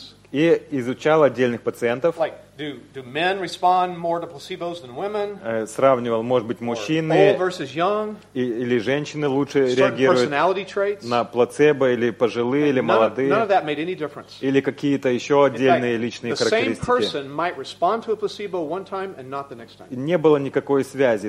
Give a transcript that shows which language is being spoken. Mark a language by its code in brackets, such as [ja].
[ru] И изучал отдельных пациентов. [en] Do men respond more to placebos than women? [ru] Сравнивал, может быть, мужчины [en] old versus young, [ru] или женщины лучше реагируют на плацебо, или пожилые, [en] and [ru] или молодые, [en] none of that made any difference. [ru] Или какие-то еще отдельные личные характеристики. Не было никакой связи.